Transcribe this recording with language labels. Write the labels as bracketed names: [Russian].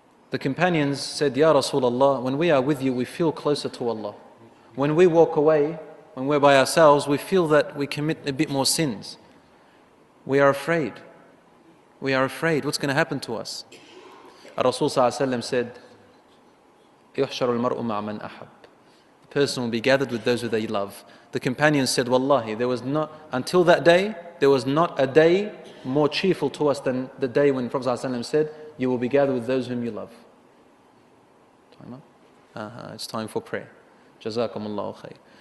[English] The companions said, Ya Rasulullah, when we are with you, we feel closer to Allah. When we walk away, when we're by ourselves, we feel that we commit a bit more sins. We are afraid. We are afraid. What's going to happen to us? Rasulullah said, [Arabic] يُحْشَرُ الْمَرْءُ مَعْ مَنْ أَحَبْ. [English] The person will be gathered with those who they love. The companions said, Wallahi, there was not, until that day, there was not a day more cheerful to us than the day when Prophet ﷺ said, you will be gathered with those whom you love. Time up? It's time for prayer. Jazakumullahu khair.